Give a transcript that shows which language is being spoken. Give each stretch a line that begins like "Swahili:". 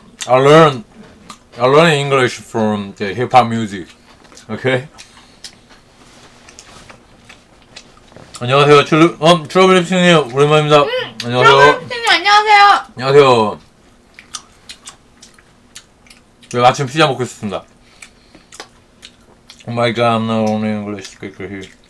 English: I learn English from the hip hop music. Okay.
Korean: 안녕하세요. 트러블 립싱님 오랜만입니다. 안녕하세요. 안녕하세요. 안녕하세요. 네, 아침 피자 먹겠습니다.
English: Oh my god, I'm not only English speaker here.